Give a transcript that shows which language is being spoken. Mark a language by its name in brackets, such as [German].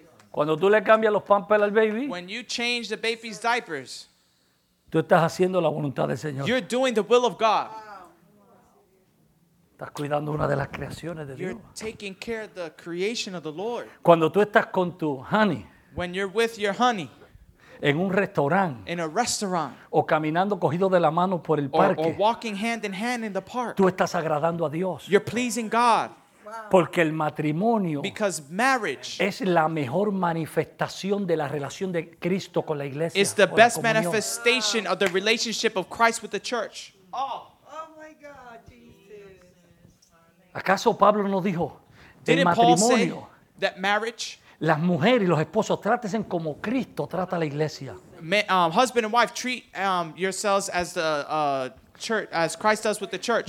[Spanish] Cuando tú le cambias los pampers al baby, [English] when you change the baby's diapers, you're doing the will of God. [Spanish] Estás cuidando una de las creaciones de Dios. [English] You're taking care of the creation of the Lord. [Spanish] Cuando tú estás con tu honey, [English] when you're with your honey, [Spanish] en un restaurante, [English] in a restaurant, [Spanish] o caminando cogido de la mano por el parque, [English] or walking hand in hand in the park, [Spanish] tú estás agradando a Dios. [English] You're pleasing God. Wow. [Spanish] Porque el matrimonio, [English] because marriage, [Spanish] es la mejor manifestación de la relación de Cristo con la iglesia. [English] It's the best manifestation of the relationship of Christ with the church. Oh, oh my God, Jesus. [Spanish] ¿Acaso Pablo no dijo el matrimonio? [English] That marriage, [Spanish] las mujeres y los esposos trátesen como Cristo trata a la iglesia. [English] Husband and wife, treat yourselves as the church, as Christ does with the church.